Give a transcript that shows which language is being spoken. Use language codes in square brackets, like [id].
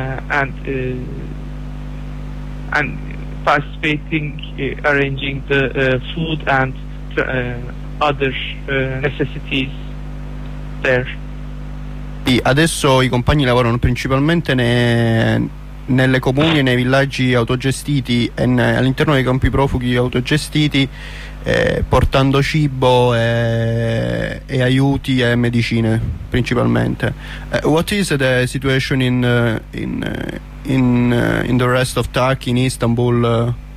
[en] And participating, arranging the food and other necessities there. [it] Adesso i compagni lavorano principalmente nelle comuni e nei villaggi autogestiti e all'interno dei campi profughi autogestiti, portando cibo e aiuti e medicine principalmente. [en] What is the situation in the rest of Turkey, in Istanbul?